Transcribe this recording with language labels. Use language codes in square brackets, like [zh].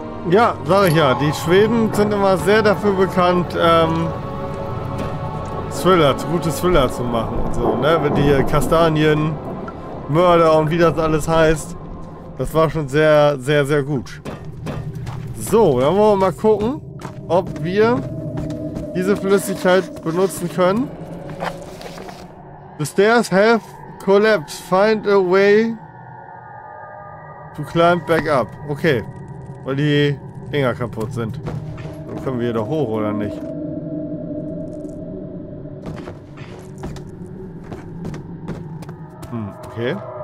[de] Ja, sag ich ja. Die Schweden sind immer sehr dafür bekannt, Thriller, gute Thriller zu machen und so. Ne? Mit die Kastanien, Mörder und wie das alles heißt. Das war schon sehr, sehr, sehr gut. So, dann wollen wir mal gucken, ob wir diese Flüssigkeit benutzen können. [en] The stairs have collapsed. Find a way to climb back up. [de] Okay, weil die Dinger kaputt sind. Dann können wir hier doch hoch, oder nicht? Hm, okay.